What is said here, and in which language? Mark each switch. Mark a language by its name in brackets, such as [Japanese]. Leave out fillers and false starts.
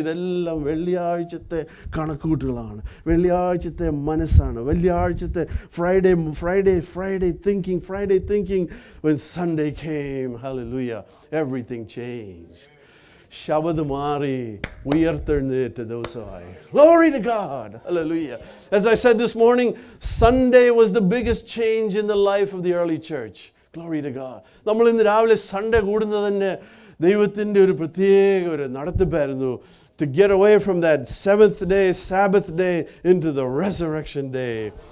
[Malayalam] ഇതെല്ലാം വെള്ളിയാഴ്ചത്തെ കണക്കുകൂട്ടുകളാണ്. വെള്ളിയാഴ്ചത്തെ മനസ്സാണ്. വെള്ളിയാഴ്ചത്തെ [English] Friday Friday Friday thinking, Friday thinking. When Sunday came, hallelujah, everything change. [Malayalam] ശബദമാറി ഉയർത്തെഴുന്നേറ്റ ദിവസമായി. [English] Glory to God. Hallelujah. As I said this morning, Sunday was the biggest change in the life of the early church. Glory to God. [Malayalam] നമ്മൾ ഇന്ന് രാവിലെ Sunday കൂടുന്നത് തന്നെ ദൈവത്തിൻ്റെ ഒരു പ്രത്യേക ഒരു നടത്തിപ്പായിരുന്നു. [English] To get away from that seventh day, Sabbath day, into the resurrection day.